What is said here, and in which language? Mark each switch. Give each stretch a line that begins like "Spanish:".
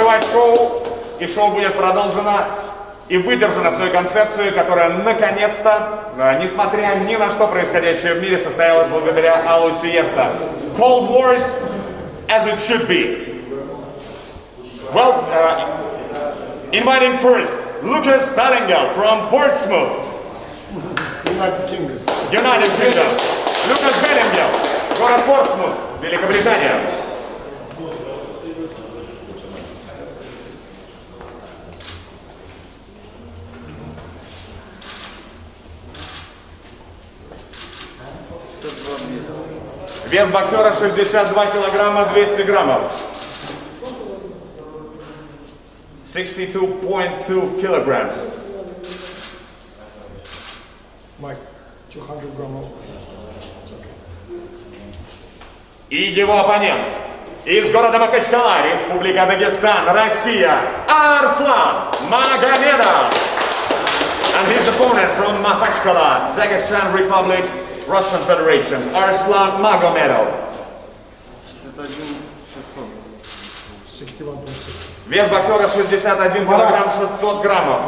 Russian: шоу, и шоу будет продолжено и выдержано в той концепции, которая наконец-то, несмотря ни на что происходящее в мире, состоялась благодаря Аллу Сиеста.
English: Cold Wars as it should be. Well, inviting first, Lucas Bellingham from Portsmouth. United Kingdom.
Russian: Lucas Bellingham, город Портсмут, Великобритания. Вес боксера 62 килограмма 200 граммов. 62.2 килограммов. Майк, 200 граммов. И его оппонент из города Махачкала, Республика Дагестан, Россия, Арслан Магомедов.
English: And his opponent from Махачкала, Dagestan Republic, Russian Federation, Arslan Magomedov. 61.6.
Russian: Вес боксера 61 килограмм 600 граммов.